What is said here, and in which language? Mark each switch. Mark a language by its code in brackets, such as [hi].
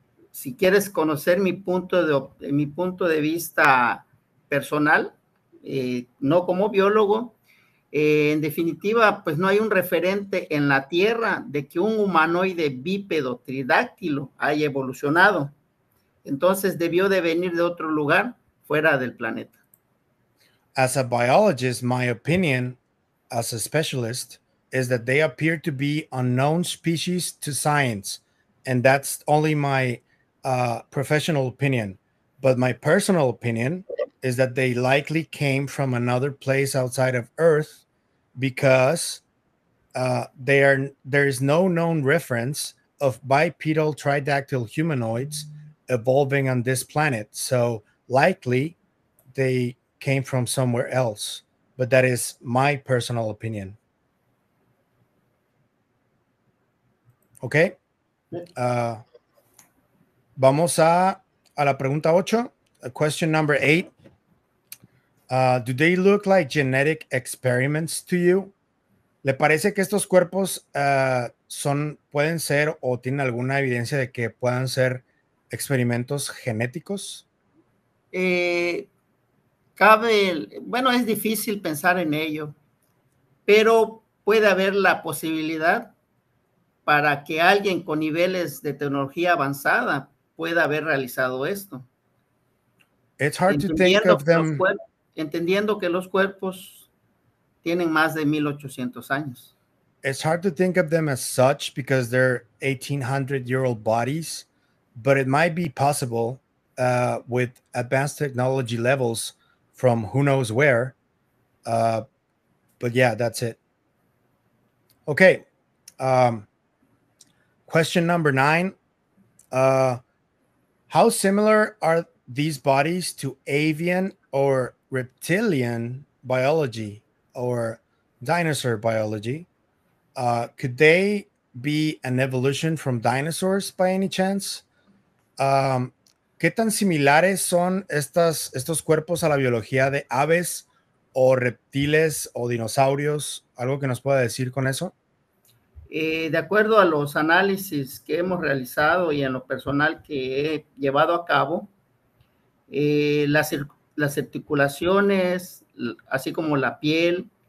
[es] Si quieres conocer mi punto de vista personal, no como biólogo, en definitiva, pues no hay un referente en la Tierra de que un humanoide bípedo tridáctilo haya evolucionado. Entonces debió de venir de otro lugar fuera del planeta. [en] As a biologist, my opinion as a specialist is that they appear to be unknown species to science, and that's only my professional opinion, but my personal opinion is that they likely came from another place outside of Earth, because there is no known reference of bipedal tridactyl humanoids evolving on this planet. So likely they came from somewhere else, but that is my personal opinion. Okay. [es] Vamos a la pregunta 8, [en] question number 8. Do they look like genetic experiments to you? [es] ¿Le parece que estos cuerpos pueden ser o tienen alguna evidencia de que puedan ser experimentos genéticos? Es difícil pensar en ello, pero puede haber la posibilidad para que alguien con niveles de tecnología avanzada pueda haber realizado esto. [en] It's hard to think of them. [es] Entendiendo que los cuerpos tienen más de 1800 años. [en] It's hard to think of them as such because they're 1800-year-old bodies, but it might be possible with advanced technology levels from who knows where. But yeah, that's it. Okay. Question number 9. How similar are these bodies to avian or reptilian biology or dinosaur biology, could they be an evolution from dinosaurs by any chance? [es] ¿Qué tan similares son estos cuerpos a la biología de aves o reptiles o dinosaurios? ¿Algo que nos pueda decir con eso? De acuerdo a los análisis que hemos realizado y en lo personal que he llevado a cabo, las articulaciones, así como la piel,